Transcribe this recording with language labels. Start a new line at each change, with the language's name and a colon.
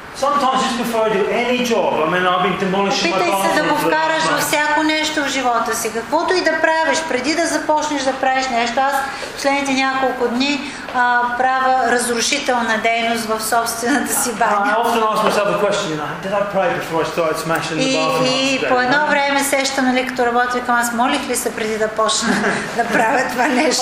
English: Sometimes it's before I do any job. I mean, I've been demolishing my bathroom.
Bulgarian: Питай се да го вкараш във всяко нещо в живота си. Каквото и да правиш, преди да започнеш да правиш нещо, аз последните няколко дни правя разрушителна дейност в собствената си баня.
English: I often ask myself a question, you know, did I pray before I started smashing the bathroom?
Bulgarian: И по едно време сещам, нали, като работя, викам, аз молих ли се преди да почна да правя това нещо?